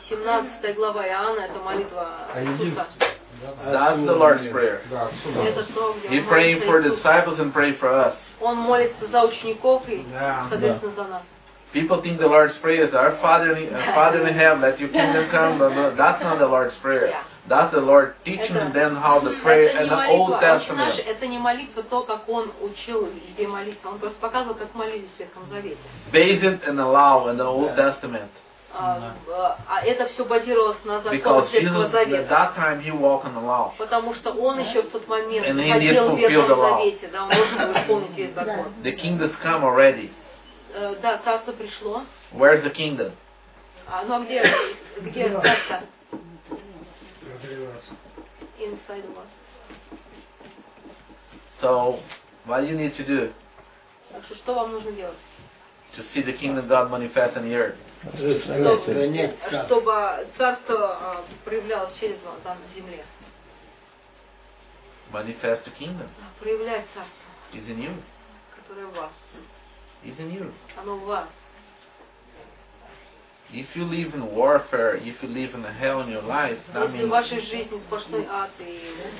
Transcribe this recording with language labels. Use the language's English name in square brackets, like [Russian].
[Russian] 17 глава Иоанна, это молитва Иисуса. [English] That's the Lord's Prayer. He praying for disciples and praying for us. [Russian] Он молится за учеников и, соответственно, за нас. [English] People think the Lord's Prayer is our Father in heaven, let your kingdom come, but no, that's not the Lord's Prayer. Yeah. That's the Lord teaching them how to pray in the Old Testament. [Russian] Наш, это не молитва, то, как он учил людей молиться. Он просто показывал, как молились в Ветхом Завете. [English] Based and allowed in the Old Testament. [Russian] Это все базировалось на законах Ветхого Завета. [English] At that time he walked in the law. [Russian] Потому что он еще в тот момент ходил в Ветхом Завете. Да, он должен был исполнить весь закон. [English] The kingdom's come already. [Russian] Да, царство пришло. [English] Where's the kingdom? [Russian] Ну а где царство? [English] Inside of us. So, what do you need to do? [Russian] Так что, что вам нужно делать? [English] To see the kingdom God manifest in the earth. [Russian] Чтобы царство проявлялось через вас там, на земле. [English] Manifest the kingdom. [Russian] Проявляет царство. [English] Is in you. [Russian] Которое в вас. [English] Isn't you? [Russian] Оно в вас. [English] If you live in warfare, if you live in hell in your life, that [Russian] если [English] means [Russian] в вашей жизни сплошной ад и